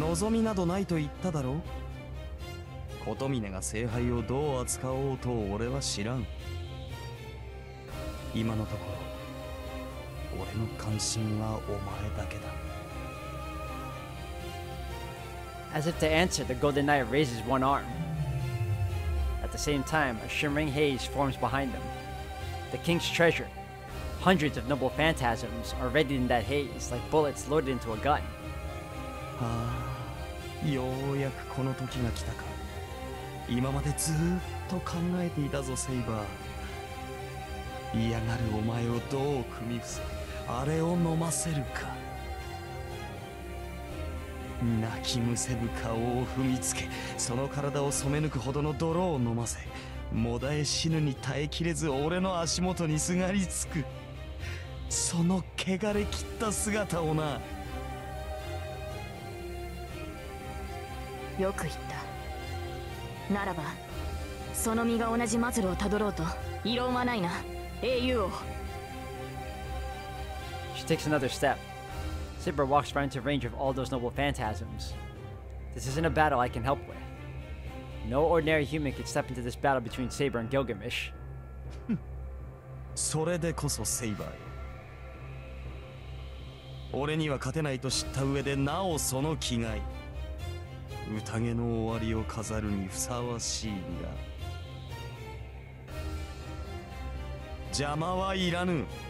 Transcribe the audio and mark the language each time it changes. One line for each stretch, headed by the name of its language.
Japanese: 望みなどないと言っただろう。琴峰が聖杯をどう扱おうと俺は知らん。今のところ、俺の関心はお前だけだ。
English: As if to answer, the golden knight raises one arm. At the same time, a shimmering haze forms behind him. The king's treasure, hundreds of noble phantasms, are ready in that haze, like bullets loaded into a gun.
Japanese: Ah, ようやくこの時が来たか。今までずっと考えていたぞ、セイバー。嫌がるお前をどう組み伏せ、あれを飲ませるか。泣きむせぶ顔を踏みつけ、その体を染め抜くほどの泥を飲ませ、もだえ死ぬに耐えきれず俺の足元にすがりつく、その汚れ切った姿をな。よく言った。ならばその身が同じマズルをたどろうと異論はないな、英雄王。
English: She takes another step. Sibra walks right into range of all those noble phantasms. This isn't a battle I can help with. No ordinary human could step into this battle between Sabre and Gilgamesh.
Japanese: それでこそセイバーよ。俺には勝てないと知った上でなおその気概。宴の終わりを飾るにふさわしいが、邪魔はいらぬ。